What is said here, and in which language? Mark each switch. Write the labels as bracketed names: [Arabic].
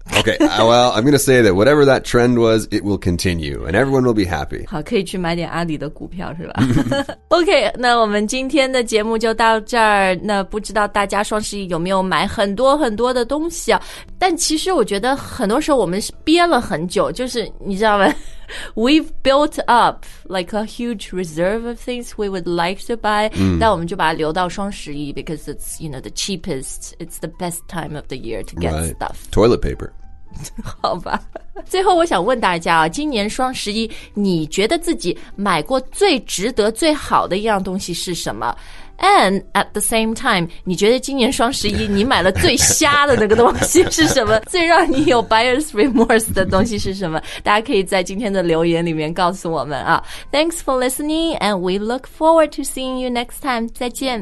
[English] Okay, well, I'm going to say that whatever that trend was, it will continue, and everyone will be happy. [Chinese] 好，可以去买点阿里的股票，是吧？Okay, 那我们今天的节目就到这儿。那不知道大家双十一有没有买很多很多的东西啊？但其实我觉得很多时候我们是憋了很久，就是你知道吗？ [English] We've built up like a huge reserve of things we would like to buy. [Chinese] 但我们就把它留到双十一 [English] because it's, you know, the cheapest, it's the best time of the year to get stuff. Toilet paper. [Chinese] 好吧。最后我想问大家啊，今年双十一你觉得自己买过最值得最好的一样东西是什么？ [English] And at the same time, [Chinese] 你觉得今年双十一你买了最瞎的那个东西是什么？最让你有 [English] buyer's remorse [Chinese] 的东西是什么？大家可以在今天的留言里面告诉我们啊。 [English] Thanks for listening, and we look forward to seeing you next time. [Chinese] 再见。